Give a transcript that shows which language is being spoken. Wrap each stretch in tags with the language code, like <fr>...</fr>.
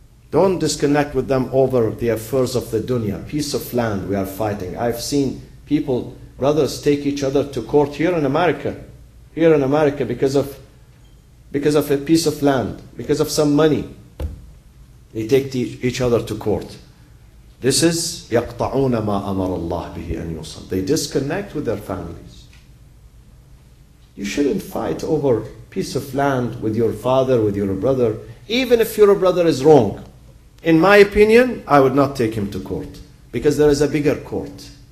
<en>Don't disconnect with them over the affairs of the dunya. Piece of land we are fighting. I've seen people, brothers, take each other to court here in America. Here in America because of a piece of land. Because of some money. They take each other to court. This is</en> <ar>يَقْطَعُونَ مَا أَمَرَ اللَّهِ بِهِ أَنْ يُوصَلْ.</ar> <en>They disconnect with their families. You shouldn't fight over piece of land with your father, with your brother, even if your brother is wrong. In my opinion, I would not take him to court. Because there is a bigger court.</en>